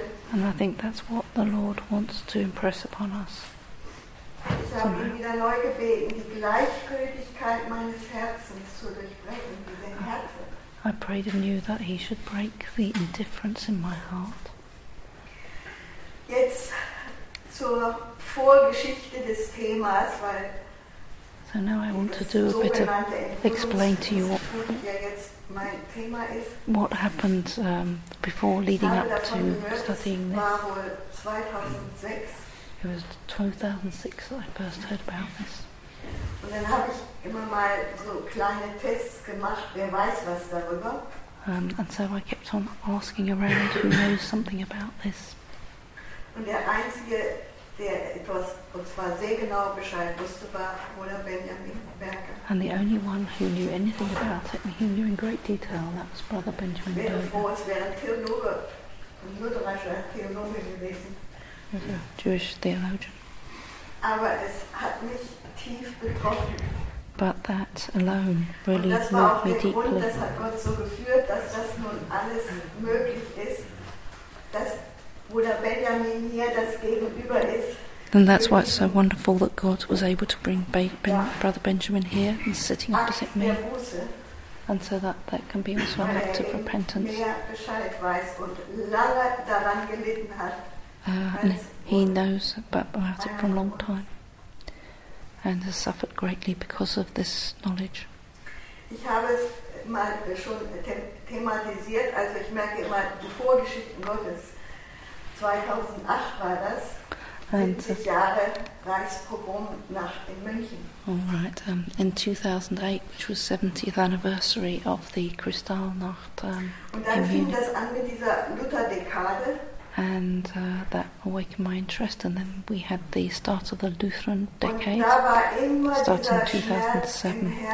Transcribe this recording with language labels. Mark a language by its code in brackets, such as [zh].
[en] And I think that's what the Lord wants to impress upon us. [de] Ich habe ihn wieder neu gebeten, die Gleichgültigkeit meines Herzens zu durchbrechen, diese Härte. [en] I prayed anew that he should break the indifference in my heart. [de] Jetzt zur Vorgeschichte des Themas, weil [en] So now I want to do a bit of explain to you what happened before leading up to studying this. It was 2006 that I first heard about this. [de] Und dann habe ich immer mal so kleine Tests gemacht, wer weiß was darüber. [en] And so I kept on asking around who knows something about this. [de] Und der Einzige, der etwas, und zwar sehr genau Bescheid wusste, war Bruder Benjamin Berger. [en] And the only one who knew anything about it, and he knew in great detail, that was Brother Benjamin Berger. [de] Wäre froh, es wäre ein Theologe, ein lutherischer Theologe gewesen. [en] A Jewish theologian. [de] Aber es hat mich tief betroffen. [en] But that alone really moved me deeply. [de] Das hat Gott so geführt, dass das nun alles möglich ist, dass Bruder Benjamin hier das Gegenüber ist. [en] And that's why it's so wonderful that God was able to bring Brother Benjamin here and sitting opposite me. And so that can be also an act of repentance. [de] Weil er mehr Bescheid weiß und lange daran gelitten hat. [en] And he knows about it for a long time and has suffered greatly because of this knowledge. [de] Ich habe es mal schon thematisiert, also ich merke immer die Vorgeschichte Gottes. 2008 war das, 70 Jahre Reichspogrom in München. [en] All right, in 2008, which was 70th anniversary of the Kristallnacht. [de] Und dann fing das an mit dieser Lutherdekade. [en] And that awakened my interest, and then we had the start of the Lutheran decade, starting in 2007.